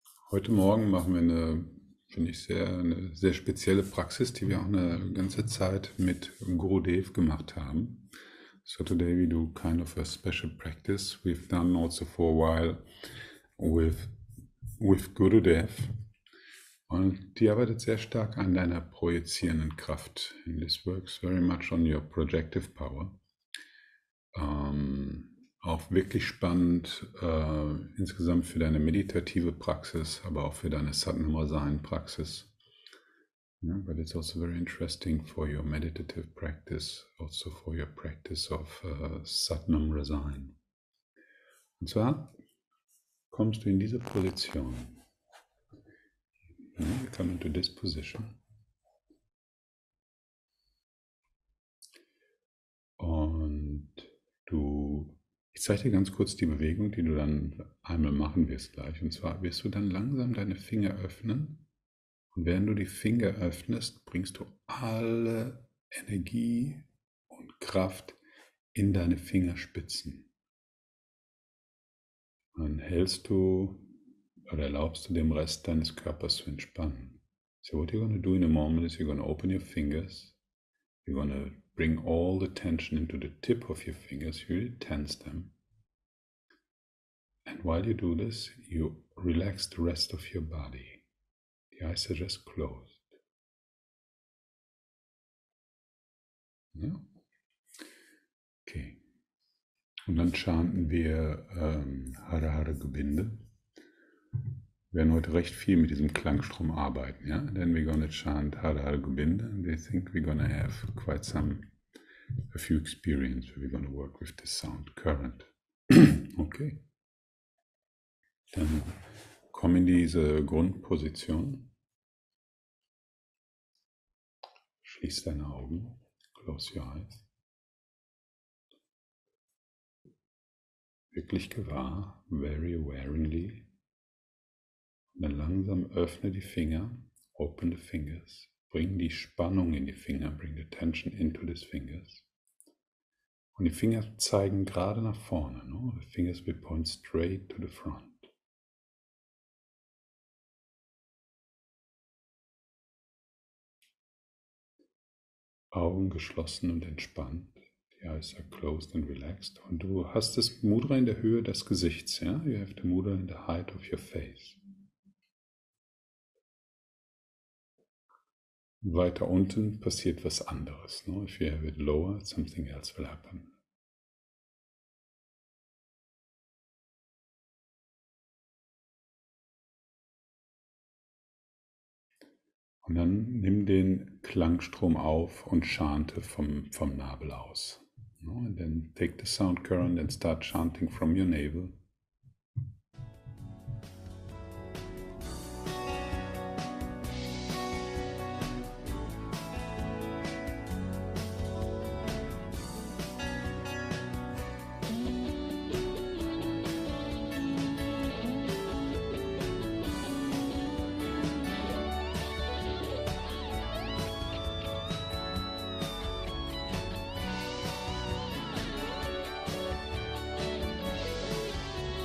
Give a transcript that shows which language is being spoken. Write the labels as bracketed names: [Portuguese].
[German] Heute Morgen machen wir eine, finde ich, eine sehr spezielle Praxis, die wir auch eine ganze Zeit mit Guru Dev gemacht haben. [English] So today we do kind of a special practice we've done also for a while with Guru Dev. [German] Und die arbeitet sehr stark an deiner projizierenden Kraft. [English] And this works very much on your projective power. [German] Auch wirklich spannend, insgesamt für deine meditative Praxis, aber auch für deine Satnamasayan-Praxis. [English] Yeah, but it's also very interesting for your meditative practice, also for your practice of Satnamasayan. [German] Und zwar kommst du in diese Position. [English] Yeah, you come into this position. [German] Und du... Ich zeige dir ganz kurz die Bewegung, die du dann einmal machen wirst gleich. Und zwar wirst du dann langsam deine Finger öffnen. Und während du die Finger öffnest, bringst du alle Energie und Kraft in deine Fingerspitzen. Dann hältst du oder erlaubst du dem Rest deines Körpers zu entspannen. [English] So what you're going to do in a moment is you're going to open your fingers. You're going to bring all the tension into the tip of your fingers, you really tense them. And while you do this, you relax the rest of your body. The eyes are just closed. [German] Yeah. Okay. Und dann chanten wir Hare Hare Gobinde. Wir werden heute recht viel mit diesem Klangstrom arbeiten. [English] Yeah? Then we're going to chant Hare Hare Gobinde. And I think we're going to have quite some... a few experience where we're going to work with the sound current. [German] Okay. Dann komm in diese Grundposition. Schließ deine Augen. [English] Close your eyes. [German] Wirklich gewahr, [English] very awarely. [German] Dann langsam öffne die Finger. [English] Open the fingers. [German] Bring die Spannung in die Finger. [English] Bring the tension into the fingers. [German] Und die Finger zeigen gerade nach vorne. [English] No? The fingers will point straight to the front. [German] Augen geschlossen und entspannt. [English] The eyes are closed and relaxed. [German] Und du hast das Mudra in der Höhe des Gesichts. [English] Yeah? You have the Mudra in the height of your face. [German] Weiter unten passiert was anderes. [English] No? If you have it lower, something else will happen. [German] Und dann nimm den Klangstrom auf und chante vom Nabel aus. [English] And then take the sound current and start chanting from your navel. Thank you.